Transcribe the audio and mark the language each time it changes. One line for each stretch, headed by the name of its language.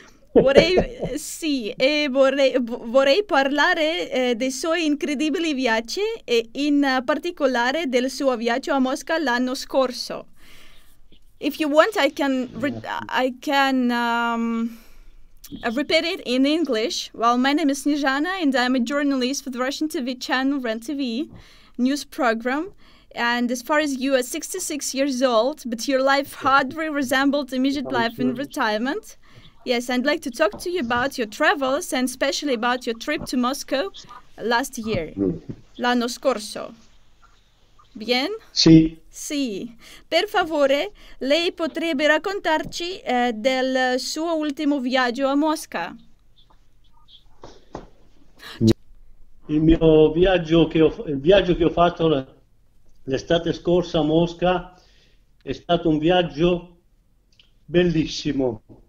Italian: vorrei parlare dei suoi incredibili viaggi e in particolare del suo viaggio a Mosca l'anno scorso.
English: If you want, I can repeat it in English. Well, my name is Snejana and I'm a journalist for the Russian TV channel RenTV news program. And as far as you are 66 years old, but your life hardly resembled immediate life in retirement. Yes, I'd like to talk to you about your travels and especially about your trip to Moscow last year.
Italian: L'anno scorso. Bien? Sì. Sì. Per favore, lei potrebbe raccontarci del suo ultimo viaggio a Mosca? Il mio viaggio che ho fatto l'estate scorsa a Mosca è stato un viaggio bellissimo.